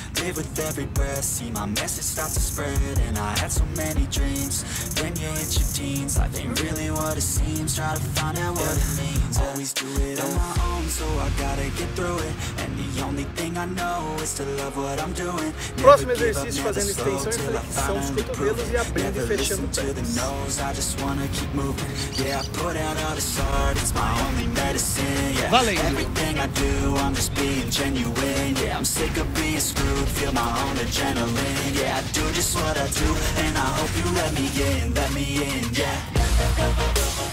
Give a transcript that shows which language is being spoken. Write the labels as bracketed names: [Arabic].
[English] Live with every breath, see my message start to spread. And I had so many dreams, when you hit your teens. Life ain't really what it seems, try to find out what it means. Always do it on my own, so I gotta get through it. And the only thing I know is to love what I'm doing. [Portuguese] Never próximo exercício, fazendo extensão e flexão, os cotovelos e abrindo e fechando o pé. [English] I just wanna keep moving. Yeah, I put out all this art, it's my only medicine. Yeah, valeu. Everything I do, I'm just being genuine. Yeah, I'm sick of being screwed, feel my own adrenaline. Yeah, I do just what I do, and I hope you let me in, yeah.